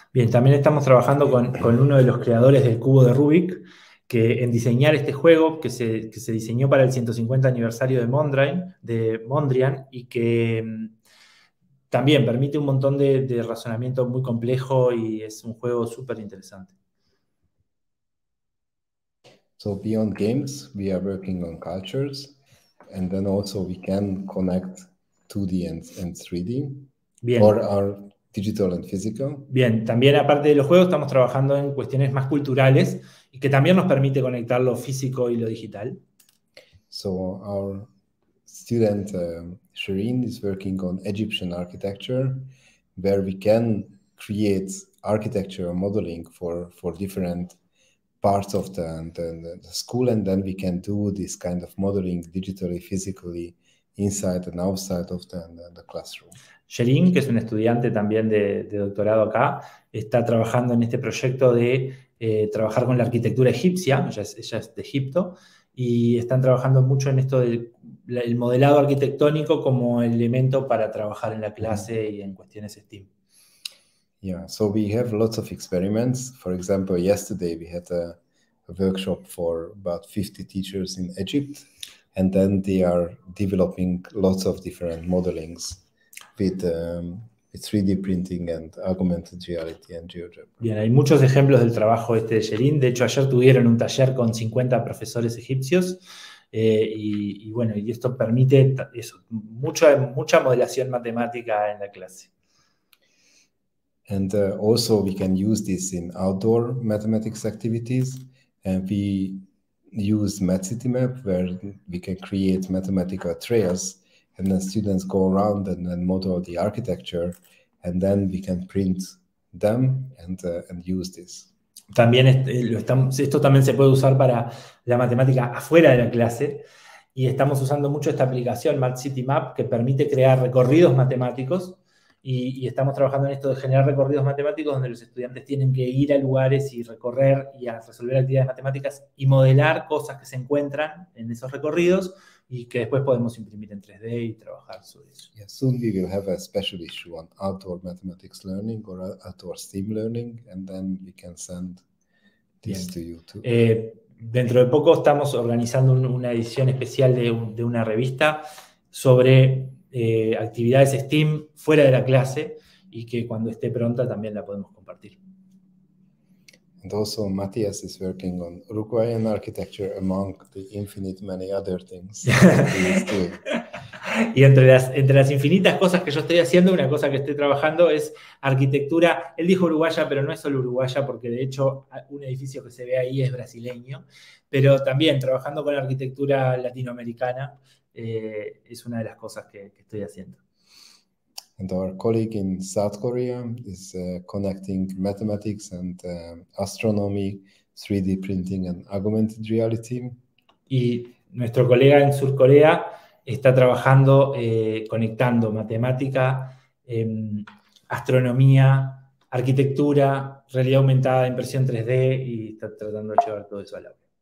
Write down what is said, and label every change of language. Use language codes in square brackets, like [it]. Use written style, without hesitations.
[es] Bien, también estamos trabajando con uno de los creadores del cubo de Rubik, que en diseñar este juego que se diseñó para el 150 aniversario de Mondrian, y que también permite un montón de razonamiento muy complejo, y es un juego súper interesante. [en] So beyond games, we are working on cultures, and then also we can connect 2D and 3D. [es] Bien. [en] Or our digital and physical. [es] Bien, también aparte de los juegos estamos trabajando en cuestiones más culturales, y que también nos permite conectar lo físico y lo digital. [en] So our student Shireen is working on Egyptian architecture, where we can create architecture modeling for different parts of the school, and then we can do this kind of modeling digitally, physically, inside and outside of the classroom. [es] Shireen, que es un estudiante también de doctorado acá, está trabajando en este proyecto de trabajar con la arquitectura egipcia. Ella es de Egipto, y están trabajando mucho en esto del modelado arquitectónico como elemento para trabajar en la clase y en cuestiones STEAM. [en] Yeah, so we have lots of experiments. For example, yesterday we had a workshop for about 50 teachers in Egypt, and then they are developing lots of different modelings with 3D printing and augmented reality and GeoGebra. [es] Bien, hay muchos ejemplos del trabajo este de Shireen. De hecho, ayer tuvieron un taller con 50 profesores egipcios, y bueno, y esto permite eso, mucha modelación matemática en la clase. [en] And also we can use this in outdoor mathematics activities, and we use MathCityMap, where we can create mathematical trails, and then students go around and then model the architecture, and then we can print them and use this. [es] También esto también se puede usar para la matemática afuera de la clase, y estamos usando mucho esta aplicación MathCityMap, que permite crear recorridos matemáticos, y estamos trabajando en esto de generar recorridos matemáticos donde los estudiantes tienen que ir a lugares y recorrer y a resolver actividades matemáticas y modelar cosas que se encuentran en esos recorridos, y que después podemos imprimir en 3D y trabajar sobre eso. [en] Yeah, soon we will have a special issue on outdoor mathematics learning or outdoor STEAM learning, and then we can send this to you too. [es] Dentro de poco estamos organizando una edición especial de una revista sobre actividades STEAM fuera de la clase y que cuando esté pronta también la podemos compartir. [en] And also Matthias is working on Uruguayan architecture among the infinite many other things that he is doing. [es] Y entre las infinitas cosas que yo estoy haciendo, una cosa que estoy trabajando es arquitectura. Él dijo uruguaya, pero no es solo uruguaya, porque de hecho un edificio que se ve ahí es brasileño. Pero también trabajando con arquitectura latinoamericana es una de las cosas que estoy haciendo. [en] And our colleague in South Korea is connecting mathematics and astronomy, 3D printing and augmented reality. [es] Y nuestro colega en Sur Corea está trabajando conectando matemática, astronomía, arquitectura, realidad aumentada, impresión 3D, y está tratando de llevar todo eso al aula.